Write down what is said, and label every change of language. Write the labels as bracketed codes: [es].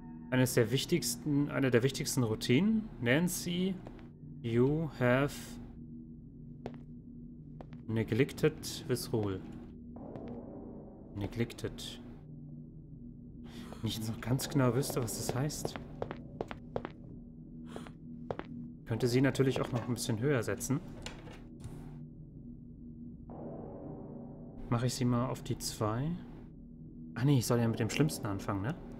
[de] Eine der wichtigsten Routinen. [en] Nancy, you have neglected this rule. Neglected. [de] Wenn ich jetzt noch ganz genau wüsste, was das heißt. Könnte sie natürlich auch noch ein bisschen höher setzen. mache ich sie mal auf die 2. Ach nee, ich soll ja mit dem Schlimmsten anfangen, ne?